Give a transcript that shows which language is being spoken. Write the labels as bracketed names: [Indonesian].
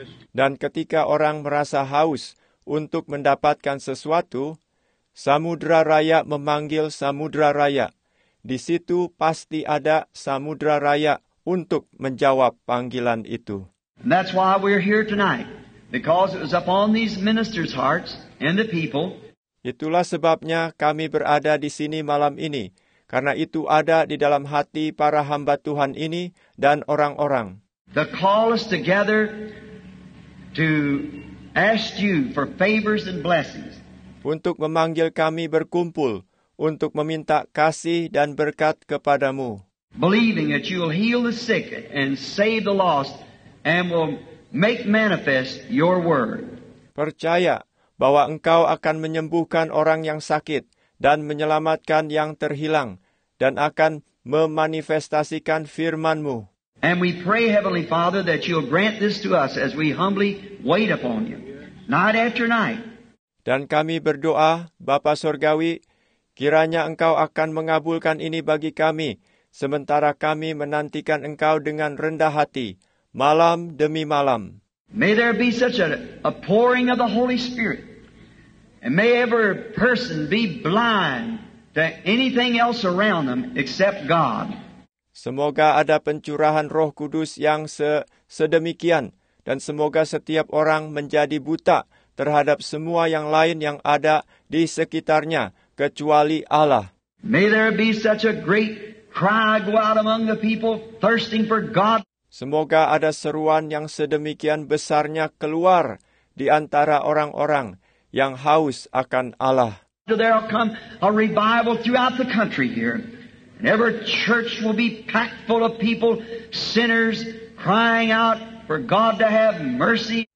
[Indonesian] Dan ketika orang merasa haus untuk mendapatkan sesuatu, samudra raya memanggil samudra raya. Di situ pasti ada samudra raya untuk menjawab panggilan itu. [English] And that's why we're here tonight, because it was upon these ministers' hearts and the people. [Indonesian] Itulah sebabnya kami berada di sini malam ini, karena itu ada di dalam hati para hamba Tuhan ini dan orang-orang. [English] The call is together to ask you for favors and blessings. [Indonesian] Untuk memanggil kami berkumpul untuk meminta kasih dan berkat kepadamu. [English] Believing that you will heal the sick and save the lost and will make manifest your word. [Indonesian] Percaya bahwa engkau akan menyembuhkan orang yang sakit dan menyelamatkan yang terhilang dan akan memanifestasikan firman-Mu. [English] And we pray, Heavenly Father, that you'll grant this to us as we humbly wait upon you, night after night. [Indonesian] Dan kami berdoa, Bapa Surgawi, kiranya engkau akan mengabulkan ini bagi kami, sementara kami menantikan engkau dengan rendah hati, malam demi malam. [English] May there be such a pouring of the Holy Spirit, and may every person be blind to anything else around them except God. [Indonesian] Semoga ada pencurahan Roh Kudus yang sedemikian, dan semoga setiap orang menjadi buta terhadap semua yang lain yang ada di sekitarnya, kecuali Allah. [English] May there be such a great cry go out among the people thirsting for God. [Indonesian] Semoga ada seruan yang sedemikian besarnya keluar di antara orang-orang yang haus akan Allah. [English] There will come a revival throughout the country here. And every church will be packed full of people, sinners, crying out for God to have mercy.